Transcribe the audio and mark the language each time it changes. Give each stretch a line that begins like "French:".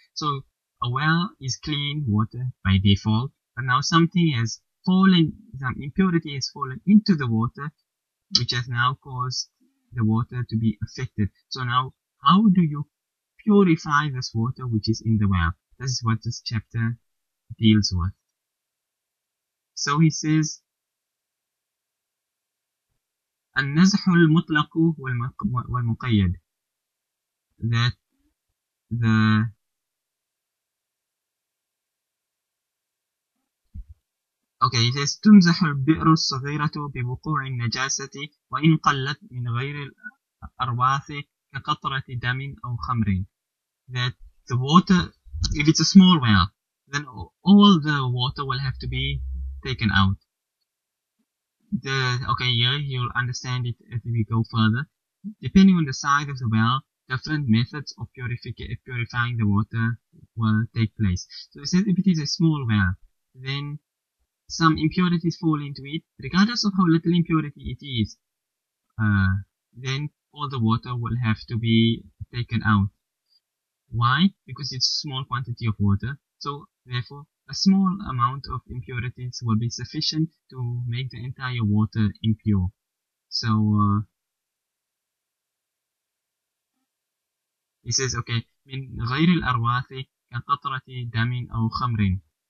English: So, a well is clean water by default, but now something has fallen, some impurity has fallen into the water, which has now caused the water to be affected. So now, how do you purify this water which is in the well? This is what this chapter deals with. So he says,
Arabic: النزح المطلق والمقيد,
English: that the okay, it says
Arabic: تمزح البئر الصغيرة ببقوع النجاسة وإن قلت من غير الأرواث كقطرة دم أو خمر.
English: That the water, if it's a small well, then all the water will have to be taken out. The okay, here you'll understand it as we go further. Depending on the size of the well, different methods of purifying the water will take place. So it says if it is a small well, then some impurities fall into it, regardless of how little impurity it is, then all the water will have to be taken out. Why? Because it's a small quantity of water, so therefore a small amount of impurities will be sufficient to make the entire water impure. So, he says, okay,
Arabic: من غير الأرواث كقطرة دم أو خمر.